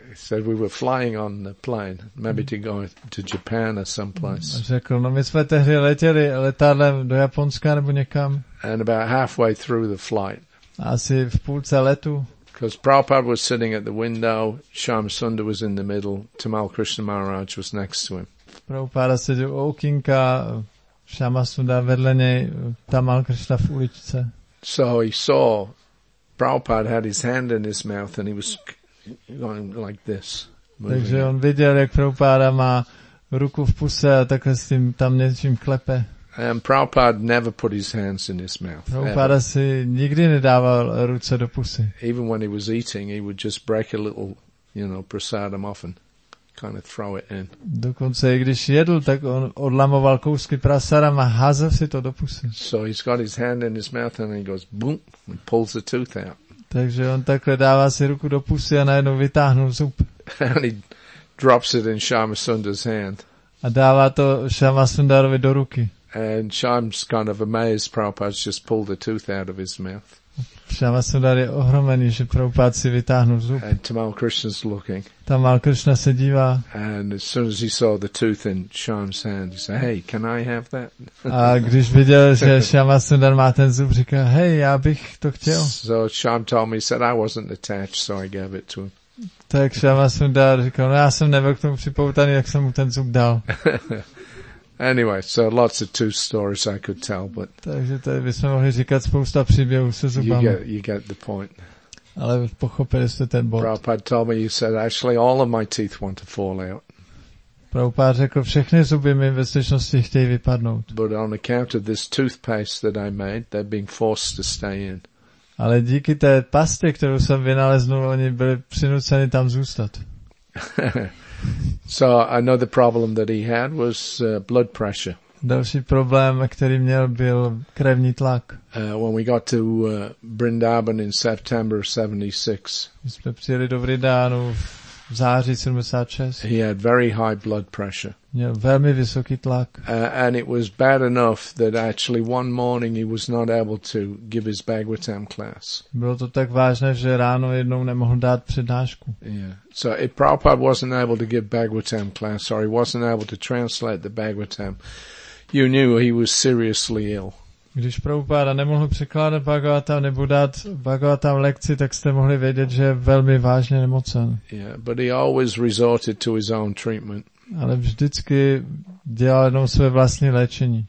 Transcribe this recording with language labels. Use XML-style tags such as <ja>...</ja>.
<en>Said we were flying on the plane, maybe to go to Japan or someplace.</en> <cs>A řekl, no my jsme tehdy letěli letadlem do Japonska nebo někam.</cs> <en>And about halfway through the flight.</en> <cs>Asi v půlce letu.</cs> <en>Because Prabhupada was sitting at the window, Shyama Sundar was in the middle, Tamal Krishna Maharaj was next to him.</en> <cs>Prabhupada seděl u okýnka, Shyama Sundar vedle něj, Tamal Krishna v uličce.</cs> <en>So he saw. Prabhupada had his hand in his mouth and he was going like this.</en> <cs>Takže on viděl, jak Prabhupada má ruku v puse a takhle s tím tam něčím klepe.</cs> <en>And Prabhupada never put his hands in his mouth.</en> <cs>Prabhupada si nikdy nedával ruce do pusy.</cs> <en>Even when he was eating, he would just break a little, you know, prasadam off and kind of throw it in.</en> <cs>Dokonce i když jedl, tak on odlamoval kousky prasadam a házel si to do pusy.</cs> <en>So he's got his hand in his mouth and he goes boom and pulls the tooth out.</en> <cs>Takže on takhle dává si ruku do pusy a najednou vytáhnul zub.</cs> <en>And he drops it in Shyama Sundar's hand.</en> <cs>A dává to Shyama Sundarovi do ruky.</cs> <en>And Shyam's kind of amazed Prabhupada's just pulled the tooth out of his mouth.</en> <cs>Shyama Sundar je ohromený, že Prabhupada si vytáhnul zub.</cs> <en>And Tamal Krishna's looking.</en> <cs>Tamal Krishna se dívá.</cs> <en>And as soon as he saw the tooth in Shyam's hand, he said, hey, can I have that?</en> <cs>A když viděl, že Shyama Sundar má ten zub, říká, hey, já bych to chtěl.</cs> <en>So Shyam told me, he said, I wasn't attached, so I gave it to him.</en> <cs>Tak Shyama Sundar říkal, no já jsem nebyl k tomu připoutaný, jak jsem mu ten zub dal.</cs> <en>Anyway, so lots of tooth stories I could tell, but</en> <cs>takže tady bychom mohli říkat spousta příběhů se zubama.</cs> <en>You get the point.</en> <cs>Ale pochopili jste ten bod.</cs> <en>Prabhupada told me, you said, actually all of my teeth want to fall out.</en> <cs>Prabhupada řekl, všechny zuby mi ve skutečnosti chtějí vypadnout.</cs> <en>But on account of this toothpaste that I made, they're being forced to stay in.</en> <cs>Ale díky té pastě, kterou jsem vynaleznul, oni byli přinuceni tam zůstat.</cs> <en>So another problem that he had was blood pressure.</en> <cs>Další problém, který měl, byl krevní tlak.</cs> <en>When we got to Vrindavan in September of 76.</en> <cs>My jsme přijeli do Vrindavanu v září 76.</cs> <en>He had very high blood pressure.</en> <cs>Měl velmi vysoký tlak.</cs> <en>And it was bad enough that actually one morning he was not able to give his Bhagavatam class.</en> <cs>Bylo to tak vážné, že ráno jednou nemohl dát přednášku.</cs> <en>Yeah. So if Prabhupada wasn't able to give Bhagavatam class, or he wasn't able to translate the Bhagavatam, you knew he was seriously ill.</en> <cs>Když Prabhupada nemohl překládat Bhagavatam nebo dát Bhagavatam lekci, tak jste mohli vědět, že je velmi vážně nemocen.</cs> <en>Yeah, but he always resorted to his own treatment.</en> <cs>Ale vždycky dělal jenom své vlastní léčení.</cs>